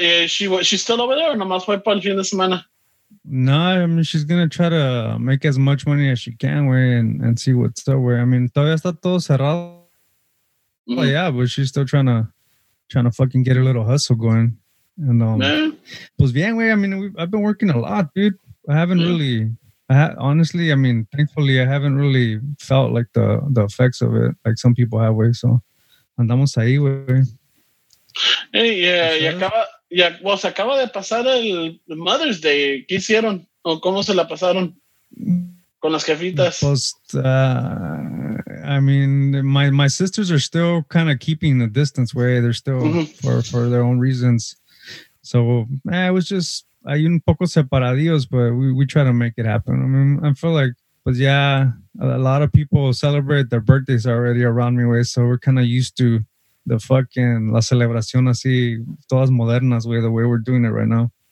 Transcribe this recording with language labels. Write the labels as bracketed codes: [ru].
[en] She's still over there. [es] No más fue para el fin de semana. [en] No, I mean, she's going to try to make as much money as she can, güey, and see what's up, güey. I mean, [es] todavía está todo cerrado. [en] Mm-hmm. But yeah, but she's still trying to fucking get a little hustle going. And, [es] pues bien, [en] güey. I mean, I've been working a lot, dude. I haven't really... Honestly, I mean, thankfully, I haven't really felt like the effects of it like some people have. [es] Way so, andamos ahí, güey. Hey, yeah, se acaba de pasar el Mother's Day. ¿Qué hicieron o cómo se la pasaron con las jefitas? [en] Pues, I mean, my sisters are still kind of keeping the distance. Way they're still for their own reasons. So, it was just. [es] Hay un poco separados, [en] but we try to make it happen. I mean, I feel like, but yeah, a lot of people celebrate their birthdays already around me, way. So we're kind of used to the fucking [es] la celebración así, todas modernas, [en] way, the way we're doing it right now.